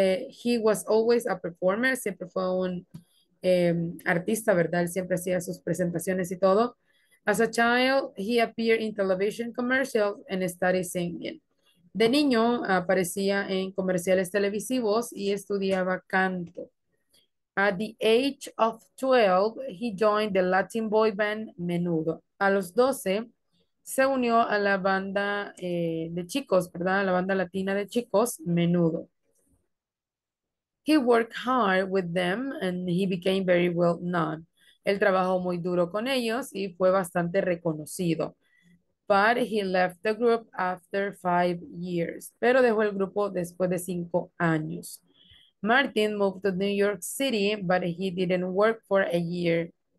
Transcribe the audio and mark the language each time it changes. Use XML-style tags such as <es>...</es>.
<en>He was always a performer,</en> <es>siempre fue un artista, ¿verdad? Él siempre hacía sus presentaciones y todo.</es> <en>As a child, he appeared in television commercials and studied singing.</en> <es>De niño, aparecía en comerciales televisivos y estudiaba canto.</es> <en>At the age of 12, he joined the Latin boy band Menudo.</en> <es>A los 12, se unió a la banda de chicos, ¿verdad? A la banda latina de chicos, Menudo.</es> <en>He worked hard with them and he became very well known.</en> <es>Él trabajó muy duro con ellos y fue bastante reconocido.</es> <en>But he left the group after 5 years.</en> <es>Pero dejó el grupo después de 5 años.</es> <en>Martin moved to New York City, but he didn't work for a year.</en>